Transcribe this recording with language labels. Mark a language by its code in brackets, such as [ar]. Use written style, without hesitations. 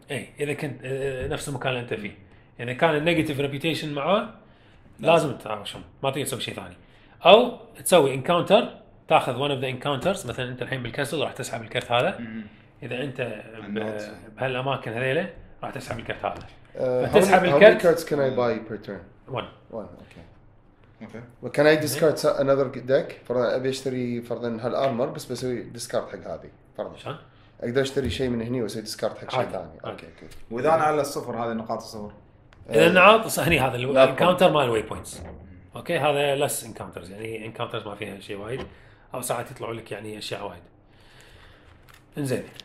[ar] اي اذا كنت نفس المكان اللي انت فيه، اذا كان النيجاتيف ريبيوتيشن معاه لازم تعاوشهم، ما تقدر تسوي شيء ثاني. او تسوي انكاونتر، تاخذ [en] One of the encounters. [ar] مثلا انت الحين بالكاسل راح تسحب الكرت هذا. اذا انت بهالاماكن هذيله راح تسحب الكرت هذا. تسحب الكرت. [en] How many cards can I buy per turn? One. Okay. Okay. But can I discard another deck? [ar] فرضا أبي أشتري فرضا هالأرمر بس بسوي discard حق هذه. فرضا. شان؟ أقدر أشتري شيء من هني وأسوي discard حق شيء ثاني. [en] Okay. [ar] وإذا أنا على الصفر هذه نقاط الصفر. إذا نعاط هني هذا الكاونتر مال الواي بوينتس. Okay هذا less encounters، يعني encounters ما فيها شيء وايد أو ساعات يطلعوا لك يعني أشياء وايد. إنزين.